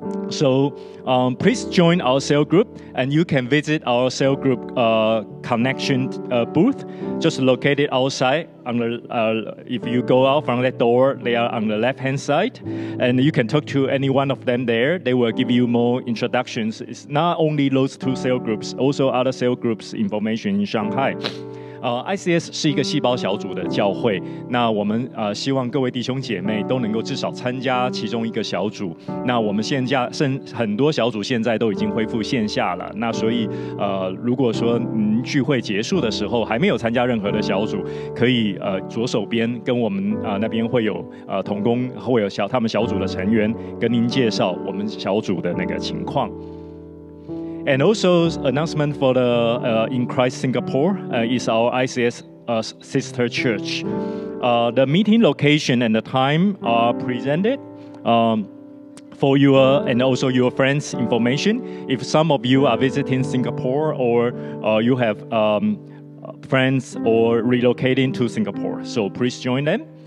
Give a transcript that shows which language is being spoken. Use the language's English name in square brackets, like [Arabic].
[English] So please join our cell group, and you can visit our cell group connection booth, just located outside. On the, if you go out from that door, they are on the left-hand side, and you can talk to any one of them there. They will give you more introductions. It's not only those two cell groups, also other cell groups information in Shanghai. [Chinese] ICS 是一个细胞小组的教会，那我们希望各位弟兄姐妹都能够至少参加其中一个小组。那我们现在很多小组现在都已经恢复线下了，那所以如果说您聚会结束的时候还没有参加任何的小组，可以左手边跟我们那边会有同工，会有他们小组的成员跟您介绍我们小组的那个情况。 [English] And also announcement for the In Christ Singapore is our ICS sister church. The meeting location and the time are presented. for your and also your friends' information, if some of you are visiting Singapore or you have friends or relocating to Singapore, so please join them.